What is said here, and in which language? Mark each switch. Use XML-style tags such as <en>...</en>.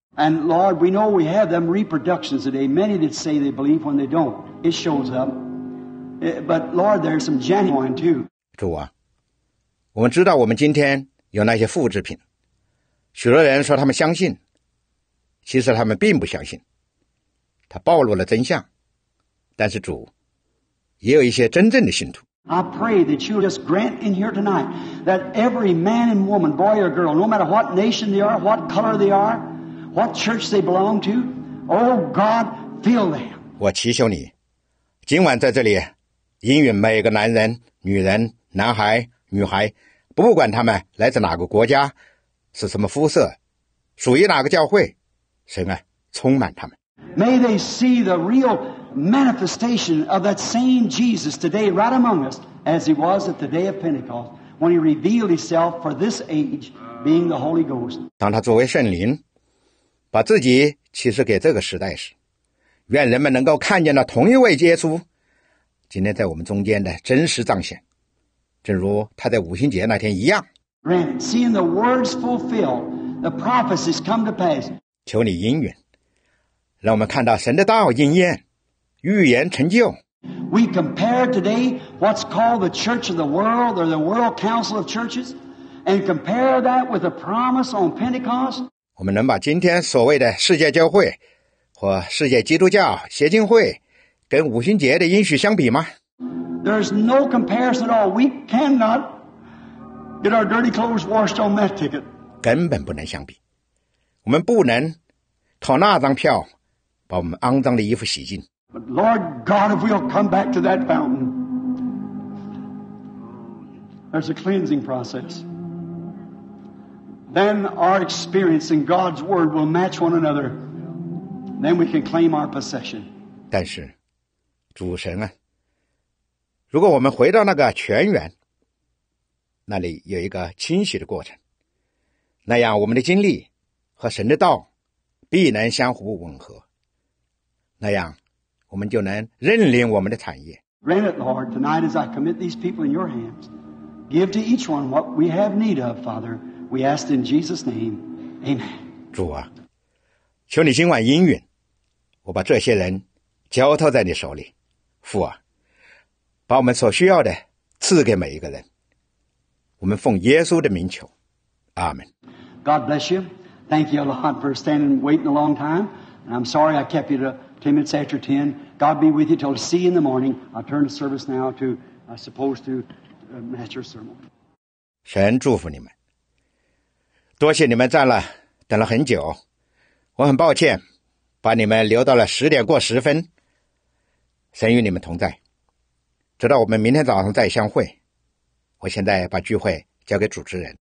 <en>And Lord, we know we have them reproductions today. Many that say they believe when they don't, it shows up. But Lord, there are some genuine too.</en> <zh>主啊，我们知道我们今天有那些复制品，许多人说他们相信，其实他们并不相信。他暴露了真相，但是主，也有一些真正的信徒。</zh> <en>I pray that you just grant in here tonight that every man and woman, boy or girl, no matter what nation they are, what color they are, what church they belong to, oh God, fill them.</en> <zh>我祈求你，今晚在这里，应允每个男人、女人、男孩、女孩，不管他们来自哪个国家，是什么肤色，属于哪个教会，神啊，充满他们。</zh> <en>May they see the real manifestation of that same Jesus today right among us as he was at the day of Pentecost when he revealed himself for this age being the Holy Ghost.</en> <zh>当他作为圣灵，把自己启示给这个时代时，愿人们能够看见了同一位耶稣今天在我们中间的真实彰显，正如他在五旬节那天一样。</zh> <en>Grant, seeing the words fulfilled, the prophecies come to pass.</en> <zh>求你应允，让我们看到神的道应验，预言成就。</zh> <en>We compare today what's called the Church of the World or the World Council of Churches, and compare that with the promise on Pentecost.</en> <zh>我们能把今天所谓的世界教会或世界基督教协进会跟五旬节的应许相比吗？</zh> <en>There's no comparison at all. We cannot get our dirty clothes washed on that ticket.</en> <zh>根本不能相比。我们不能靠那张票把我们肮脏的衣服洗净。</zh> <en>But Lord God, if we'll come back to that fountain, there's a cleansing process. Then our experience in God's word will match one another. Then we can claim our possession.</en> <zh>但是主神啊，如果我们回到那个泉源，那里有一个清洗的过程，那样我们的经历和神的道必能相互吻合，那样我们就能认领我们的产业。</zh> <en>Grant it, Lord, tonight as I commit these people in your hands, give to each one what we have need of, Father. We ask in Jesus' name, Amen.</en> <zh>主啊，求你今晚应允，我把这些人交托在你手里。父啊，把我们所需要的赐给每一个人。我们奉耶稣的名求，阿门。</zh> <en>God bless you. Thank you a lot for standing waiting a long time. And I'm sorry I kept you to 10 minutes after 10. God be with you till I see you in the morning. I'll turn the service now to, I suppose, to master sermon.</en> <zh>神祝福你们。多谢你们站了，等了很久。我很抱歉，把你们留到了10:10。神与你们同在，直到我们明天早上再相会。我现在把聚会交给主持人。</zh>